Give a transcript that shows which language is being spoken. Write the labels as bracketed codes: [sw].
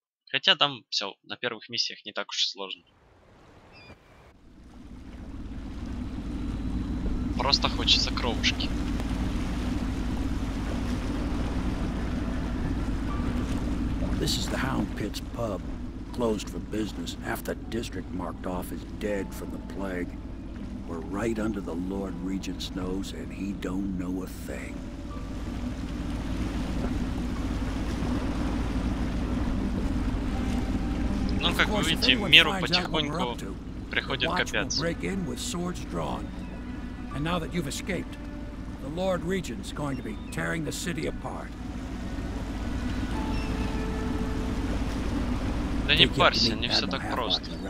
[ru] Хотя там все на первых миссиях не так уж и сложно. Просто хочется кровушки. [en] This is the Hound Pit's pub, closed for business. Half the district marked off is dead from the plague. We're right under the Lord Regent's nose, and he don't know a thing. [ru] Ну, как вы видите, миру потихоньку приходит капец. [en] The watch will break in with swords drawn. And now that you've escaped, the Lord Regent's going to be tearing the city apart. [ru] Да не парься, не все так просто.